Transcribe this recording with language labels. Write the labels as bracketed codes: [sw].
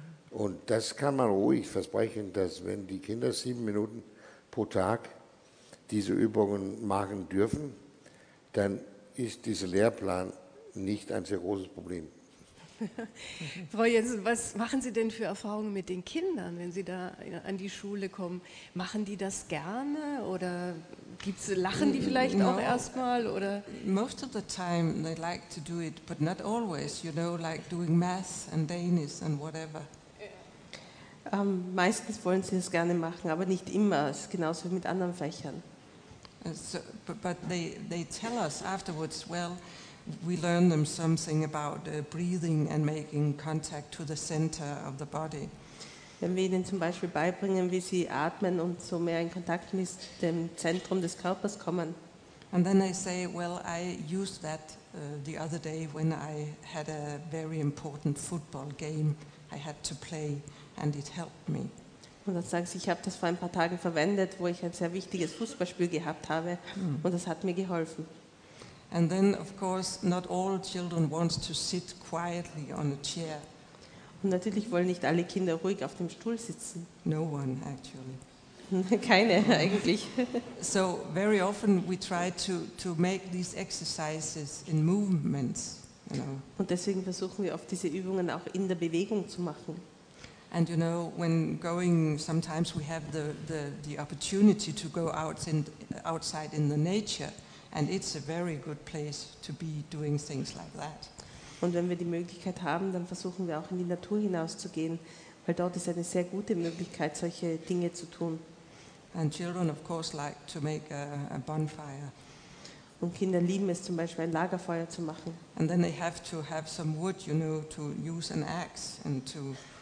[de] Und das kann man ruhig versprechen, dass wenn die Kinder 7 Minuten pro Tag diese Übungen machen dürfen, dann ist dieser Lehrplan nicht ein sehr großes Problem. Frau Jensen, was machen Sie denn für Erfahrungen mit den Kindern, wenn sie da an die Schule kommen? Machen die das gerne oder lachen die vielleicht auch erstmal? Oder? [en] Most of the time they like to do it, but not always, you know, like doing math and Danish and whatever. [de] Meistens wollen sie es gerne machen, aber nicht immer. Es ist genauso wie mit anderen Fächern. [en] But they tell us afterwards, well, we learn them something about breathing and making contact to the center of the body. [de] Wenn wir ihnen zum Beispiel beibringen, wie sie atmen und so mehr in Kontakt mit dem Zentrum des Körpers kommen. [en] And then they say, well, I used that the other day when I had a very important football game I had to play. And it helped me. [de] Und dann sagst du, ich habe das vor ein paar Tagen verwendet, wo ich ein sehr wichtiges Fußballspiel gehabt habe, und das hat mir geholfen. [en] And then, of course, not all children want to sit quietly on a chair. [de] Und natürlich wollen nicht alle Kinder ruhig auf dem Stuhl sitzen. [en] No one, actually. [de] Keine, eigentlich. [en] So very often we try to make these exercises in movements. You know. [de] Und deswegen versuchen wir oft diese Übungen auch in der Bewegung zu machen. [en] And you know, when going, sometimes we have the opportunity to go outside in the nature, and it's a very good place to be doing things like that. [de] Und wenn wir die Möglichkeit haben, dann versuchen wir auch in die Natur hinauszugehen, weil dort ist eine sehr gute Möglichkeit, solche Dinge zu tun. [en] And children, of course, like to make a bonfire. [de] Und Kinder lieben es, zum Beispiel ein Lagerfeuer zu machen. [en] And then they have to have some wood, you know, to use an axe and to